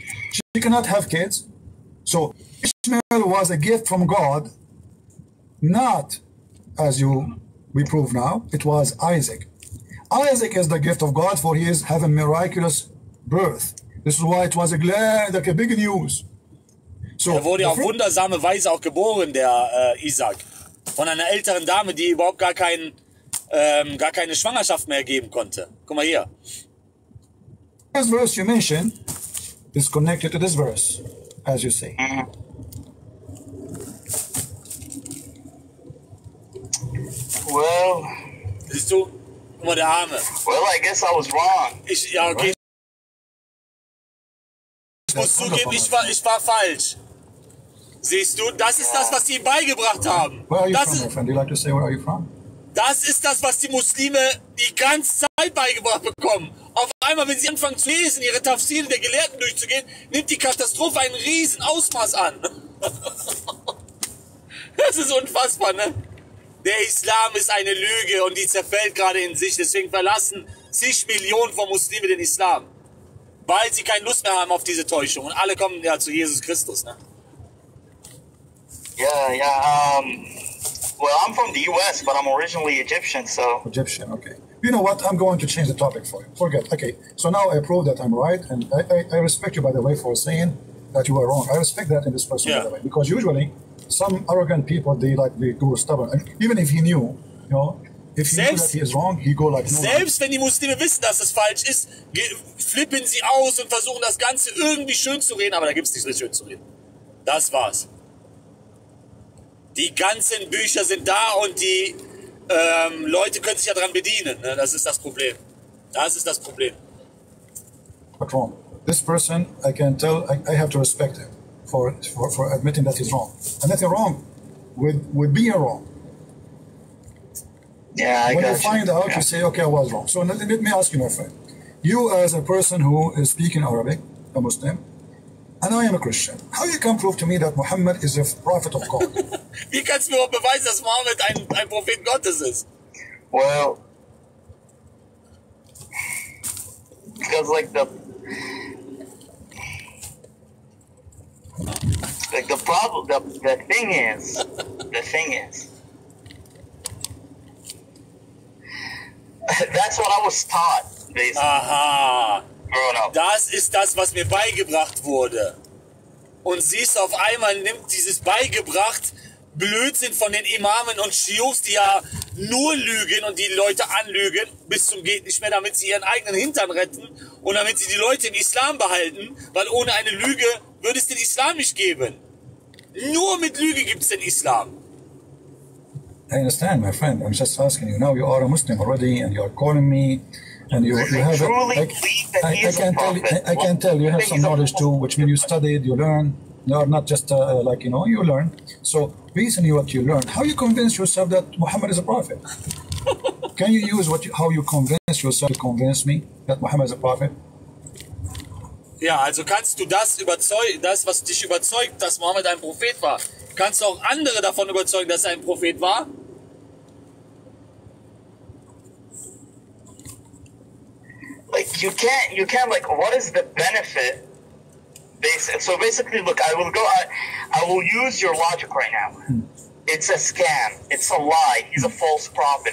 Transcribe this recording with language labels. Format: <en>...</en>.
<en>She cannot have kids. So Ishmael was a gift from God, not as we prove now, it was Isaac. Isaac is the gift of God for he is having miraculous birth. This is why it was a big news.</en> <de>So, er wurde auf wundersame Weise auch geboren, der Isaac, von einer älteren Dame, die überhaupt gar keine Schwangerschaft mehr geben konnte. Guck mal hier.</de> <en>This verse you mentioned is connected to this verse, as you say. Well,</en> <de>siehst du, guck mal der Arme.</de> <en>Well, I guess I was wrong.</en> <de>Ich muss zugeben, ich war falsch. Siehst du, das ist das, was sie ihm beigebracht haben.</de> <en>Where are you from, my friend? Do you like to say, where are you from?</en> <de>Das ist das, was die Muslime die ganze Zeit beigebracht bekommen. Auf einmal, wenn sie anfangen zu lesen, ihre Tafsir der Gelehrten durchzugehen, nimmt die Katastrophe ein riesen Ausmaß an. Das ist unfassbar, ne? Der Islam ist eine Lüge und die zerfällt gerade in sich. Deswegen verlassen sich Millionen von Muslimen den Islam. Weil sie keine Lust mehr haben auf diese Täuschung. Und alle kommen ja zu Jesus Christus. Ne?</de> <en>Yeah, yeah. Well, I'm from the US, but I'm originally Egyptian, so... Egyptian, okay. You know what? I'm going to change the topic for you. Forget. Okay, so now I prove that I'm right. And I respect you, by the way, for saying that you are wrong. I respect that in this person, yeah. By the way. Because usually... Some arrogant people, they like, they go stubborn. And even if he knew, you know, if he knew that he is wrong, he go like, no.</en> <de>Selbst wenn die Muslime wissen, dass es falsch ist, flippen sie aus und versuchen das Ganze irgendwie schön zu reden, aber da gibt es nichts mehr schön zu reden. Das war's. Die ganzen Bücher sind da und die Leute können sich ja dran bedienen. Ne? Das ist das Problem. Das ist das Problem.</de> <en>But wrong. This person, I can tell, I have to respect him. For admitting that he's wrong. And that you're wrong with being wrong. Yeah, I when got you find you. Out, yeah. You say, okay, I was wrong. So let me ask you, my friend. You as a person who is speaking Arabic, a Muslim, and I am a Christian, how you can prove to me that Muhammad is a prophet of God?</en> <de>Wie kannst du mir beweisen, dass Muhammad ein Prophet Gottes ist?</de> <en>Well, because like the... Like the problem, the thing is, that's what I was taught, basically. Aha. Growing up.</en> <de>Das ist das, was mir beigebracht wurde. Und siehst du, auf einmal nimmt dieses beigebracht Blödsinn von den Imamen und Shios, die ja nur lügen und die Leute anlügen, bis zum geht nicht mehr, damit sie ihren eigenen Hintern retten und damit sie die Leute im Islam behalten, weil ohne eine Lüge würde es den Islam nicht geben. Nur mit Lüge gibt es den Islam.</de> <en>I understand, my friend. I'm just asking you. Now you are a Muslim already and you are calling me and you have truly a, I can tell you have some knowledge too, which means you studied, you learned. You are not just like, you know, you learned. So based on what you learned, how you convince yourself that Muhammad is a prophet? Can you use how you convince yourself to convince me that Muhammad is a prophet?</en> <de>Ja, also kannst du das, was dich überzeugt, dass Mohammed ein Prophet war, kannst du auch andere davon überzeugen, dass er ein Prophet war?</de> <en>Like, you can't, like, what is the benefit? So basically, look, I will use your logic right now. It's a scam, it's a lie, he's a false prophet.</en>